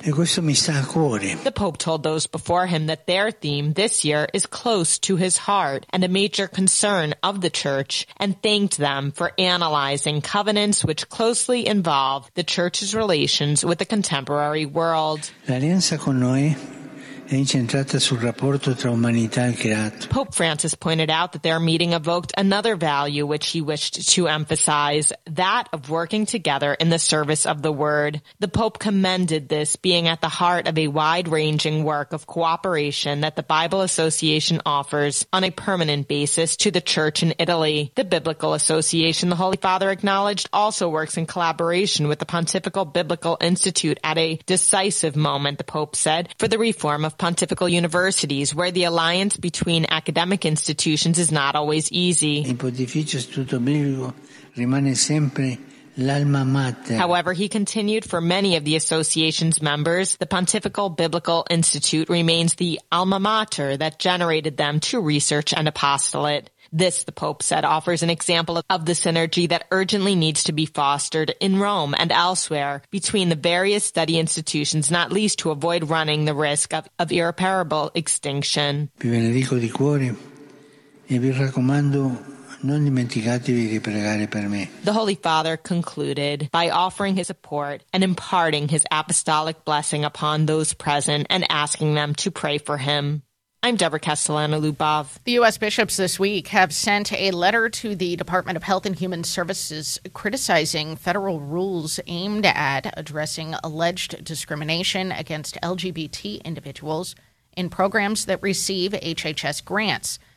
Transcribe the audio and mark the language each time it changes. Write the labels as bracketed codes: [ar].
[it] E questo mi sta a cuore. [en] The Pope told those before him that their theme this year is close to his heart and a major concern of the church, and thanked them for analyzing covenants which closely involve the church's relations with the contemporary world. [it] L'alleanza con noi è incentrata sul rapporto tra umanità e creato. [en] Pope Francis pointed out that their meeting evoked another value which he wished to emphasize, that of working together in the service of the word. The Pope commended this being at the heart of a wide-ranging work of cooperation that the Bible Association offers on a permanent basis to the church in Italy. The Biblical Association, the Holy Father acknowledged, also works in collaboration with the Pontifical Biblical Institute at a decisive moment, the Pope said, for the reform of pontifical universities, where the alliance between academic institutions is not always easy. [it] Il pontificio istituto biblico rimane sempre l'alma mater. [en] However, he continued, for many of the association's members, the Pontifical Biblical Institute remains the alma mater that generated them to research and apostolate. This, the Pope said, offers an example of the synergy that urgently needs to be fostered in Rome and elsewhere between the various study institutions, not least to avoid running the risk of irreparable extinction. [it] Vi benedico di cuore e vi raccomando, non dimenticatevi di pregare per me. [en] The Holy Father concluded by offering his support and imparting his apostolic blessing upon those present and asking them to pray for him. I'm Deborah Castellano-Luboff. The U.S. bishops this week have sent a letter to the Department of Health and Human Services criticizing federal rules aimed at addressing alleged discrimination against LGBT individuals in programs that receive HHS grants.